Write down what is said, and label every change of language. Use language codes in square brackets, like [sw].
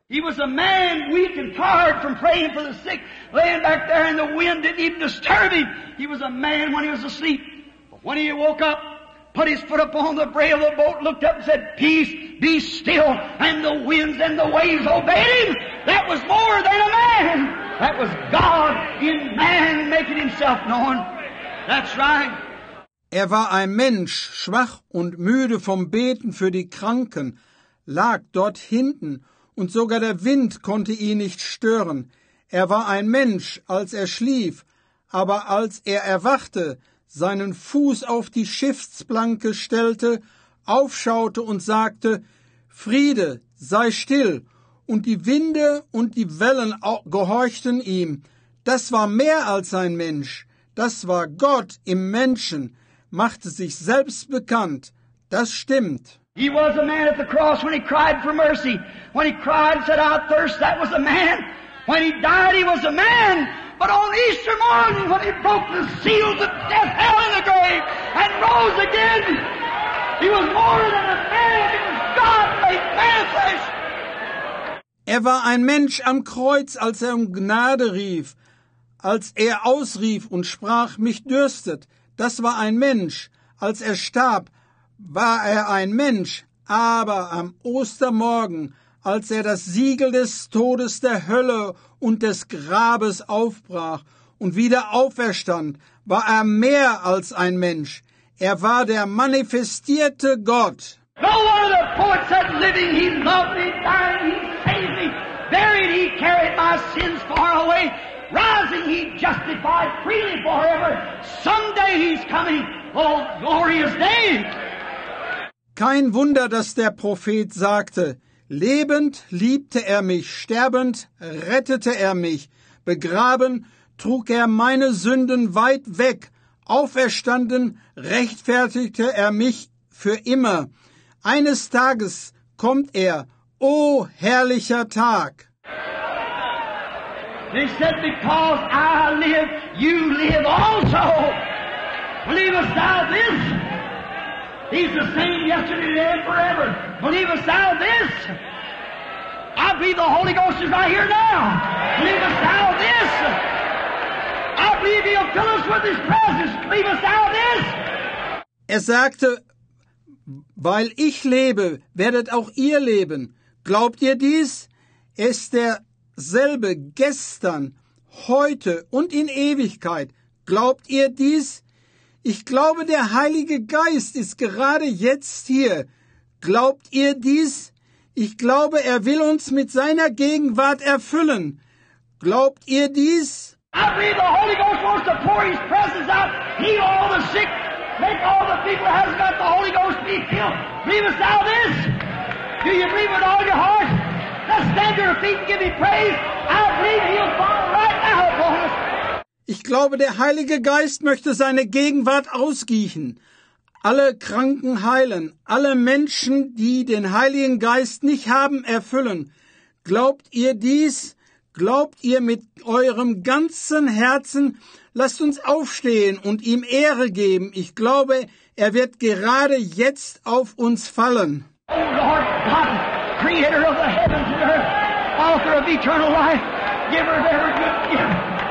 [en] He was a man weak and tired from praying for the sick, laying back there and the wind didn't even disturb him. He was a man when he was asleep. But when he woke up, put his foot upon the rail of the boat, looked up and said, Peace, be still, and the winds and the waves obeyed him. That was more than a man. That was God in man making himself known. That's right. [de] Er war ein Mensch, schwach und müde vom Beten für die Kranken, lag dort hinten, und sogar der Wind konnte ihn nicht stören. Er war ein Mensch, als er schlief, aber als er erwachte, seinen Fuß auf die Schiffsplanke stellte, aufschaute und sagte, Friede, sei still, und die Winde und die Wellen gehorchten ihm. Das war mehr als ein Mensch, das war Gott im Menschen, machte sich selbst bekannt. Das stimmt. [en] He was a man at the cross when he cried for mercy. When he cried and said, I thirst, that was a man. When he died, he was a man. But on Easter morning, when he broke the seals of death, hell, and the grave, and rose again, he was more than a man. He was God made manifest. [de] Er war ein Mensch am Kreuz, als er um Gnade rief, als er ausrief und sprach, mich dürstet. Das war ein Mensch. Als er starb, war er ein Mensch. Aber am Ostermorgen, als er das Siegel des Todes, der Hölle und des Grabes aufbrach und wieder auferstand, war er mehr als ein Mensch. Er war der manifestierte Gott. [en] No one of the poets said living, he loved me, dying, he saved me. Buried, he carried my sins far away. Rising, he justified freely forever. Someday he's coming. Oh, glorious day! [de] Kein Wunder, dass der Prophet sagte, lebend liebte er mich, sterbend rettete er mich, begraben trug er meine Sünden weit weg, auferstanden rechtfertigte er mich für immer. Eines Tages kommt er, o herrlicher Tag! [en] They said, because I live, you live also. Believest thou this? He's the same yesterday, today, and forever. Believest thou this? I believe the Holy Ghost is right here now. Believest thou this? I believe he'll fill us with his presence. Believest thou this? [de] Er sagte, weil ich lebe, werdet auch ihr leben. Glaubt ihr dies? Es derselbe gestern, heute und in Ewigkeit. Glaubt ihr dies? Ich glaube, der Heilige Geist ist gerade jetzt hier. Glaubt ihr dies? Ich glaube, er will uns mit seiner Gegenwart erfüllen. Glaubt ihr dies? [en] I believe the Holy Ghost wants to pour his presence out, heal all the sick, make all the people that hasn't got the Holy Ghost be healed. Believest thou this? Do you believe with all your heart? Let's stand to your feet and give me praise. I believe he'll fall right now upon us. [de] Ich glaube, der Heilige Geist möchte seine Gegenwart ausgießen. Alle Kranken heilen, alle Menschen, die den Heiligen Geist nicht haben, erfüllen. Glaubt ihr dies? Glaubt ihr mit eurem ganzen Herzen? Lasst uns aufstehen und ihm Ehre geben. Ich glaube, er wird gerade jetzt auf uns fallen. [en] O Lord God, Creator of the heavens and earth, Author of eternal life, Giver of every good gift.